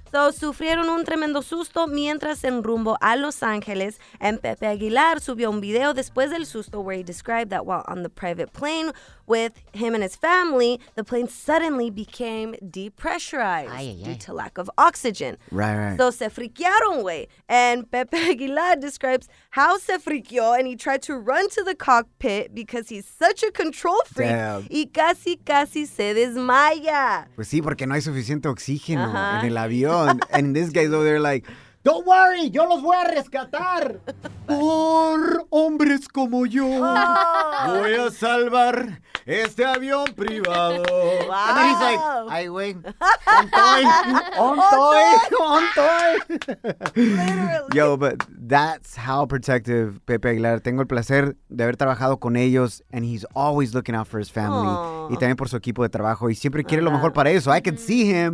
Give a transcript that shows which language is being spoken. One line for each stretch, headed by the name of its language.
Spanish: So, sufrieron un tremendo susto mientras en rumbo a Los Ángeles.
English: And Pepe Aguilar
Spanish: subió un video después del susto
English: where he described that while on the private plane with him and his family, the plane suddenly became depressurized due to lack of oxygen. Right.
Spanish: So, se friquearon, güey.
English: And Pepe Aguilar describes how
Spanish: se friqueó
English: and he tried to run to the cockpit because he's such a control freak. Damn.
Spanish: Y casi, casi se desmaya. Pues sí, porque no hay suficiente oxígeno en el avión.
English: And this guy's over there like, don't worry,
Spanish: yo los voy a rescatar. Por hombres como yo, voy a salvar este avión privado.
English: Wow. And then he's like, ay, güey, on toy. Literally. Yo, but that's how protective Pepe Aguilar.
Spanish: Tengo el placer de haber trabajado con ellos,
English: and he's always looking out for his family. Aww.
Spanish: Y también por su equipo de trabajo. Y siempre quiere lo mejor para eso.
English: I can see him